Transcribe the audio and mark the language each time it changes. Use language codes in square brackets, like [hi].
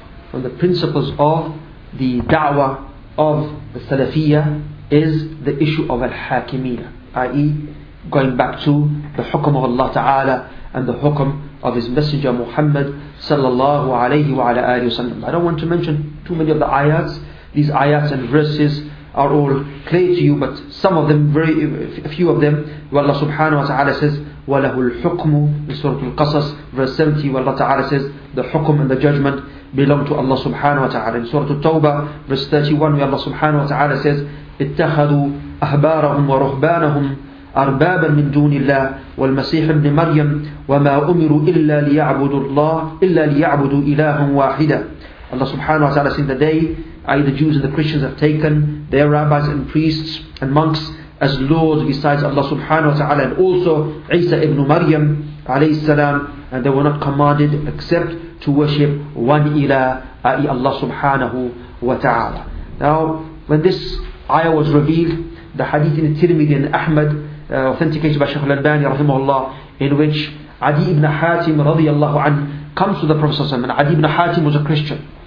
[en] From the principles of the da'wah of the salafiyya is the issue of al-hakimiyya, i.e., going back to the hukum of Allah Taala and the hukum of His Messenger Muhammad sallallahu alayhi wa alayhi wa sallam. I don't want to mention too many of the ayats. These ayats and verses are all clear to you, but some of them, a few of them, where Allah subhanahu wa ta'ala says, [ar] وَلَهُ الْحُكْمُ [en] in Surah Al-Qasas, verse 70, where Allah ta'ala says, the hukum and the judgment belong to Allah subhanahu wa ta'ala. In Surah Al-Tawbah, verse 31, where Allah subhanahu wa ta'ala says, [ar] اتَّخَذُوا أَهْبَارَهُمْ وَرُهْبَانَهُمْ أَرْبَابًا مِنْ دُونِ اللَّهِ وَالْمَسِيحَ ابْنِ مَرْيَمْ وَمَا أُمِرُوا إِلَّا لِيَعْبُدُوا اللَّهَ إِلَّا لِيَعْبُدُوا إِلَهًا وَاحِدًا. [en] Allah subhanahu wa ta'ala said, the day, i.e. the Jews and the Christians have taken their rabbis and priests and monks as lords besides Allah subhanahu wa ta'ala, and also Isa ibn Maryam alayhi salam, and they were not commanded except to worship one ilah, i.e. Allah subhanahu wa ta'ala. Now, when this ayah was revealed, the hadith in Tirmidhi and Ahmad, authenticated by Shaykh al-Albani rahimahullah, in which Adi ibn Hatim radiyallahu anhu comes to the Prophet ﷺ, and Adi ibn Hatim was a Christian.